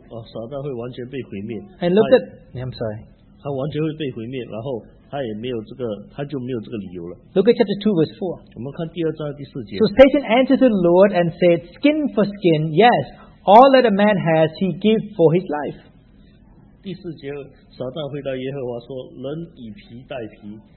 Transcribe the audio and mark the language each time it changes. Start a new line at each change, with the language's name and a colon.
Chinese: 因为其实在最后的末日的时候，撒旦会完全被毁灭。
English: And look at, I'm sorry.
Chinese: 他完全会被毁灭，然后他也没有这个理由了。
English: Look at chapter 2 verse 4.
Chinese: 我们看第二章第四节。
English: So Satan answered the Lord and said, skin for skin, yes, all that a man has he give for his life.
Chinese: 第四节，撒旦回答耶和华说，人以皮代皮。